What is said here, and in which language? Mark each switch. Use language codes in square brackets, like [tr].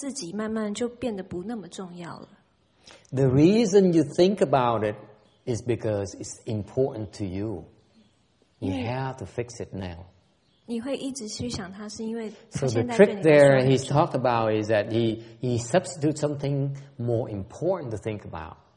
[zh] 他就说你因为你去想别的事情，那你就暂时不想这件事情。那过了一阵子以后，他就自己慢慢就变得不那么重要了。The [en] reason you think about it is because it's important to you. You have to fix it now. [zh] 你会一直去想它，是因为它现在对你来说。So [en] the trick there he's talked about is that he substitutes something more important to think about.